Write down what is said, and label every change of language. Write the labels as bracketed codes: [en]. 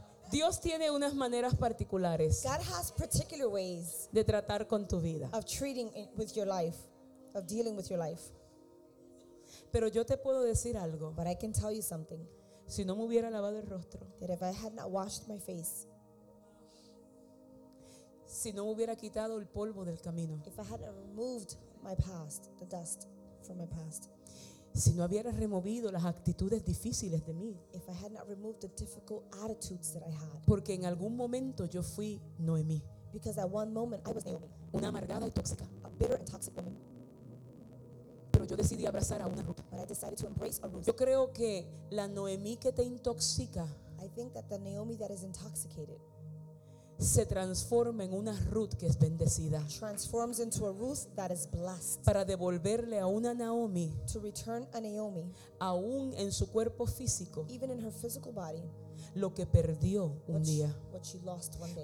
[es] Dios tiene unas maneras particulares. [en] God has particular ways [es] de tratar con tu vida. [en] Of treating with your life, of dealing with your life. [es] Pero yo te puedo decir algo. [en] But I can tell you something. [es] Si no me hubiera lavado el rostro. [en] That if I had not washed my face. [es] Si no hubiera quitado el polvo del camino. [en] If I had removed my past, the dust from my past. [es] Si no hubiera removido las actitudes difíciles de mí. [en] If I had not removed the difficult attitudes that I had. [es] Porque en algún momento yo fui Noemí. [en] Because at one moment I was Naomi. [es] Una amargada y tóxica. [en] A bitter and toxic woman. [es] Pero yo decidí abrazar a una Ruth. [en] But I decided to embrace a Ruth. [es] Yo creo que la Noemí que te intoxica. [en] I think that the Naomi that is intoxicated. [es] Se transforma en una Ruth que es bendecida. [en] Transforms into a Ruth that is blessed. [es] Para devolverle a una Naomi. [en] To return a Naomi. [es] Aún en su cuerpo físico. [en] Even in her physical body. [es] Lo que perdió un día. [en] What she lost one day.